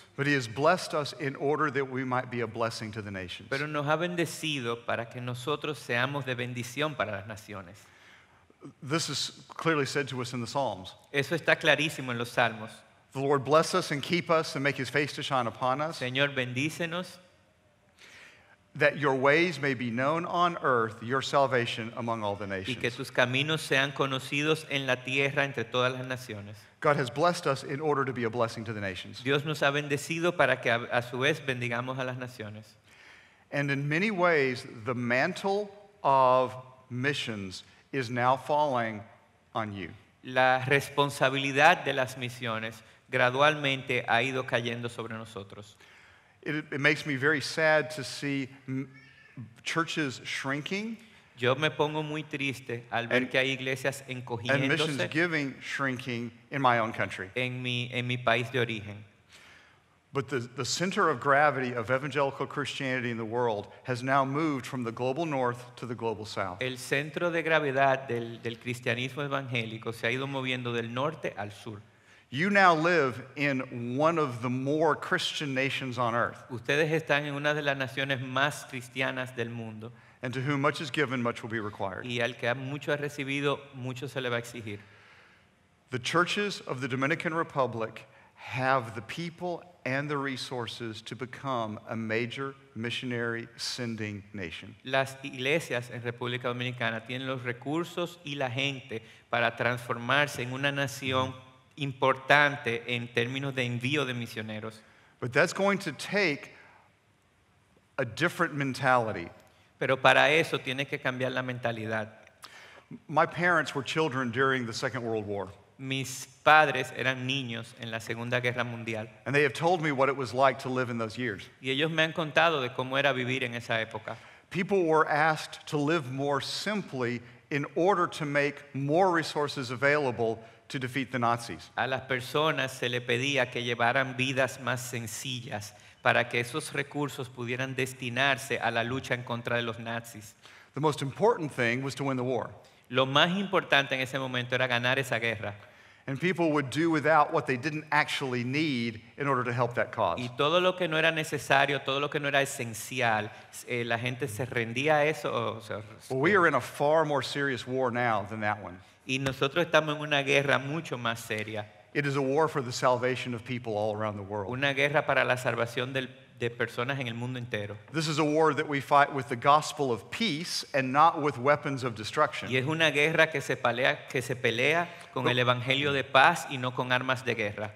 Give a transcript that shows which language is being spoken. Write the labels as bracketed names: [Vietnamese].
[English] But he has blessed us in order that we might be a blessing to the nations. [Spanish] Pero nos ha bendecido para que nosotros seamos de bendición para las naciones. [English] This is clearly said to us in the Psalms. [Spanish] Eso está clarísimo en los Salmos. [English] The Lord bless us and keep us and make his face to shine upon us. [Spanish] Señor, bendícenos. [English] That your ways may be known on earth, your salvation among all the nations. [Spanish] Y que tus caminos sean conocidos en la tierra entre todas las naciones. [English] God has blessed us in order to be a blessing to the nations. [Spanish] Dios nos ha bendecido para que a su vez bendigamos a las naciones. [English] And in many ways, the mantle of missions is now falling on you. [Spanish] La responsabilidad de las misiones gradualmente ha ido cayendo sobre nosotros. [English] It makes me very sad to see churches shrinking. [Spanish] Yo me pongo muy triste al ver que hay iglesias encogiéndose. [English] And missions giving shrinking in my own country. [Spanish] En mi país de origen. [English] But the center of gravity of evangelical Christianity in the world has now moved from the global north to the global south. [Spanish] El centro de gravedad del cristianismo evangélico se ha ido moviendo del norte al sur. [English] You now live in one of the more Christian nations on earth. [Spanish] Ustedes están en una de las naciones más cristianas del mundo. [English] And to whom much is given, much will be required. [Spanish] Y al que mucho ha recibido, mucho se le va a exigir. [English] The churches of the Dominican Republic have the people and the resources to become a major missionary sending nation. [Spanish] Las iglesias en República Dominicana tienen los recursos y la gente para transformarse en una nación importante en términos de envío de misioneros. [English] But that's going to take a different mentality. [Spanish] Pero para eso tiene que cambiar la mentalidad. [English] My parents were children during the Second World War. [Spanish] Mis padres eran niños en la Segunda Guerra Mundial. [English] And they have told me what it was like to live in those years. [Spanish] Y ellos me han contado de cómo era vivir en esa época. [English] People were asked to live more simply in order to make more resources available to defeat the Nazis. [Spanish] A las personas se le pedía que llevaran vidas más sencillas para que esos recursos pudieran destinarse a la lucha en contra de los nazis. [English] The most important thing was to win the war. [Spanish] Lo más importante en ese momento era ganar esa guerra. [English] And people would do without what they didn't actually need in order to help that cause. [Spanish] Y todo lo que no era necesario, todo lo que no era esencial, la gente se rendía a eso. [English] Well, we are in a far more serious war now than that one. [Spanish] Y nosotros estamos en una guerra mucho más seria. [English] It is a war for the salvation of people all around the world. [Spanish] Una guerra para la salvación de personas en el mundo entero. [English] This is a war that we fight with the gospel of peace and not with weapons of destruction. [Spanish] Y es una guerra que se pelea con el evangelio de paz y no con armas de guerra.